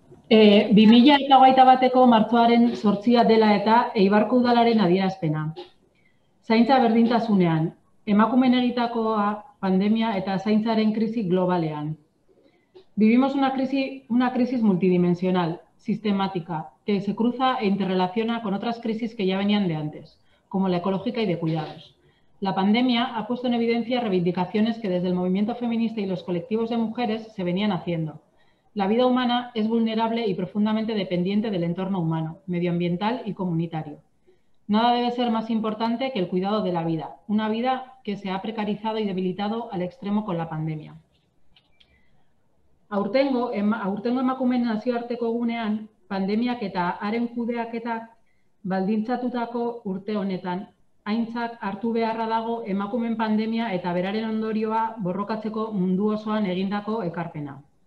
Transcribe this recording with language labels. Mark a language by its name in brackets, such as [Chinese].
[Basque] 2021 bateko martxoaren 8a dela eta Eibarko udalaren adierazpena. Zaintza berdintasunean, emakumeen egitakoa, pandemia eta zaintzaren krisi globalean. [Spanish] Vivimos una crisis multidimensional, sistemática, que se cruza e interrelaciona con otras crisis que ya venían de antes, como la ecológica y de cuidados. La pandemia ha puesto en evidencia reivindicaciones que desde el movimiento feminista y los colectivos de mujeres se venían haciendo. La vida humana es vulnerable y profundamente dependiente del entorno humano, medioambiental y comunitario. Nada debe ser más importante que el cuidado de la vida, una vida que se ha precarizado y debilitado al extremo con la pandemia. [Basque] Aurtengo emakumeen nazioarteko egunean, pandemiak eta haren kudeaketak baldintzatutako urte honetan, aintzak hartu beharra dago emakumeen pandemia eta beraren ondorioa borrokatzeko mundu osoan egindako ekarpena.